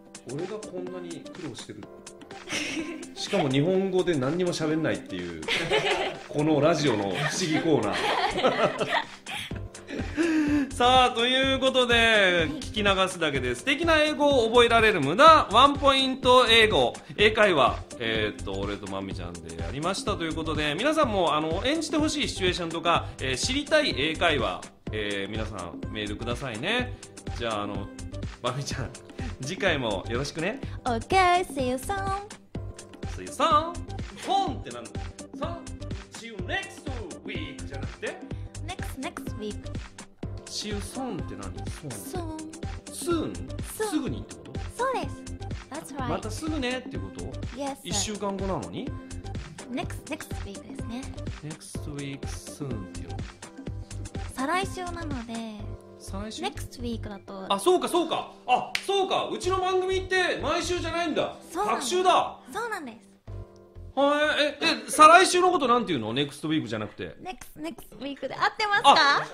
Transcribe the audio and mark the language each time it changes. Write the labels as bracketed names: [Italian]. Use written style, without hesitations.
[Japanese] 俺がこんなに苦労してるしかも日本語で何にも喋んないっていうこのラジオの不思議コーナーさあ、ということで聞き流すだけで素敵な英語を覚えられる無駄ワンポイント英語英会話、俺とまみちゃんでやりましたということで、皆さんもあの演じてほしいシチュエーションとか、知りたい英会話、皆さんメールくださいね。じゃあ、 あのまみちゃん次回もよろしくね。 [English] OK! See you soon! See you soon! [Japanese] ポンってなんの？ [English] さあ、See you next week! [Japanese] じゃなくて [English] Next week! See you soon! [Japanese] って何？ [English] Soon! Soon! [Japanese] すぐにってこと？そうです！ [English] That's right! [Japanese] またすぐねってこと？ [English] Yes! [Japanese] 1週間後なのに？ [English] Next week [Japanese] ですね。 [English] Next week soon [Japanese] って言うの？再来週なので、最初 [English] next week [Japanese] だと。あ、そうかそうか、あ、そうか、うちの番組って毎週じゃないんだ。そうなんです。隔週だ。そうなんです。はい、再来週のことなんていうの？ [English] next week [Japanese] じゃなくて [English] next week [Japanese] で合ってますか？